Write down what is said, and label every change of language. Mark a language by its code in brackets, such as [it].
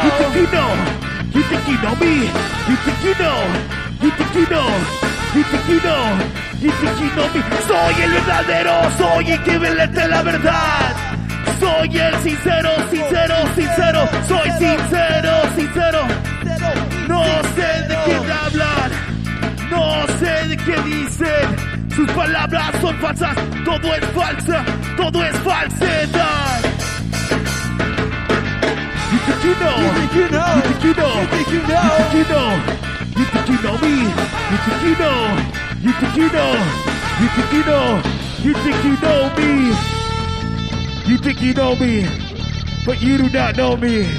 [en] you think you know, you think you know me, you think you know, you think you know, you think you know, you think you know me. [es] Soy el verdadero, soy el que vende la verdad. Soy el sincero, sincero, sincero, soy sincero, sincero. No sé de quién hablan, no sé de qué dicen. Sus palabras son falsas, todo es falsa, todo es falsedad. [en] You think you know, you think you know, you think you know me, you think you know, you think you know, you think you know, you think you know me, you think you know me, but you do not know me,